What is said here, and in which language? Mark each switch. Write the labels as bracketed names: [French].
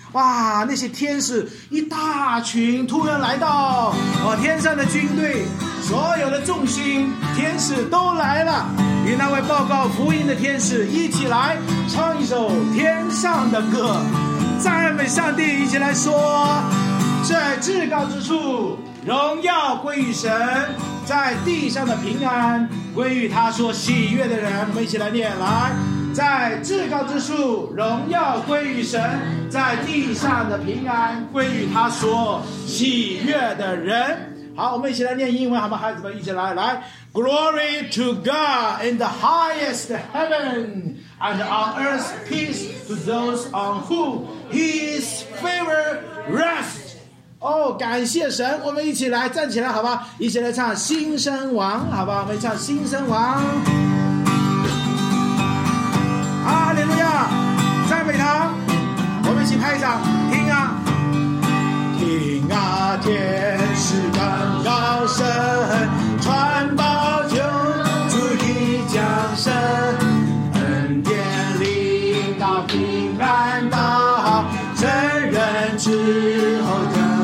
[Chinese] 哇，那些天使一大群突然来到，哦，天上的军队，所有的众星天使都来了，与那位报告福音的天使一起来唱一首天上的歌，赞美上帝，一起来说，在至高之处荣耀归于神，在地上的平安归于他所喜悦的人。我们一起来念，来，在至高之处荣耀归于神，在地上的平安归于他所喜悦的人。好，我们一起来念英文好吗？孩子们一起来，来， [English] Glory to God in the highest heaven and on earth peace to those on whom his favor rests。 [Chinese] 哦，感谢神，我们一起来站起来好吧，一起来唱新生王好吧，我们唱新生王，哈利路亚，赞美他，我们一起拍掌，听啊听啊，天使刚高声传报救主已降生，恩典临到平安到真人之后的